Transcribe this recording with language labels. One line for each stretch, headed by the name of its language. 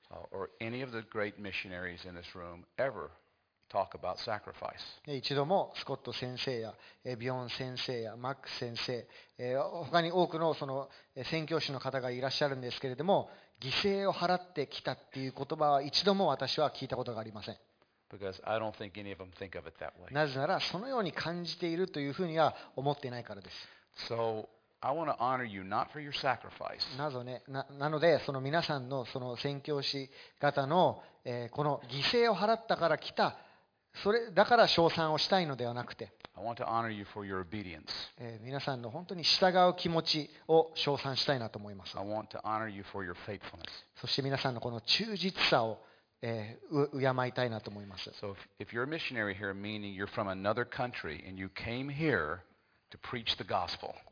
English: Or any of the great missionaries in this room ever talk about sacrifice.
Japanese: 一度もスコット先生やビヨン先生やマック先生、他に多くのその宣教師の方がいらっしゃるんですけれども、犠牲を払ってきたっていう言葉は一度も私は聞いたことがありません。
English: Because I don't think any of them think of it that way.
Japanese: なぜならそのように感じているというふうには思っていないからです。
English: So,I want to honor you not for your sacrifice.
Japanese: なのでその皆さんのその宣教師方の、この犠牲を払ったから来た、それだから称賛をしたいのではなくて、
English: I want to honor you for your obedience.
Japanese: 皆さんの本当に従う気持ちを称賛したいなと思います。
English: I want to honor you for your faithfulness.
Japanese: そして皆さんのこの忠実さを、敬いたいなと思います。
English: So if you're a missionary here, meaning you're from another country and you came here to preach the gospel.